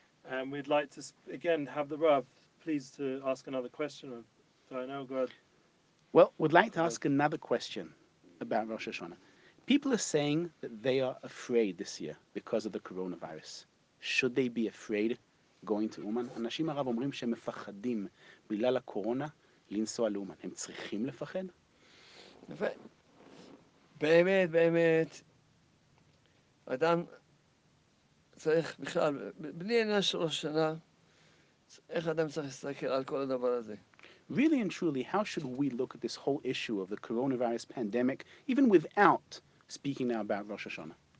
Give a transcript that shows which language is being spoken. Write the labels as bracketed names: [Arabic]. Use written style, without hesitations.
[English] And we'd like to, again, have the Rav please to ask another question. We'd like to ask another question about Rosh Hashanah. People are saying that they are afraid this year because of the coronavirus. Should they be afraid going to Uman? [Hebrew] אנשים הרב אומרים שהם מפחדים בגלל הקורונה לנסוע לאומן. הם צריכים לפחד? באמת. אדם צריך בכלל, בלי עניין של ראש השנה, איך אדם צריך להסתכל על כל הדבר הזה? [English] Really and truly, how should we look at this whole issue of the coronavirus pandemic, even without speaking now about Rosh Hashanah?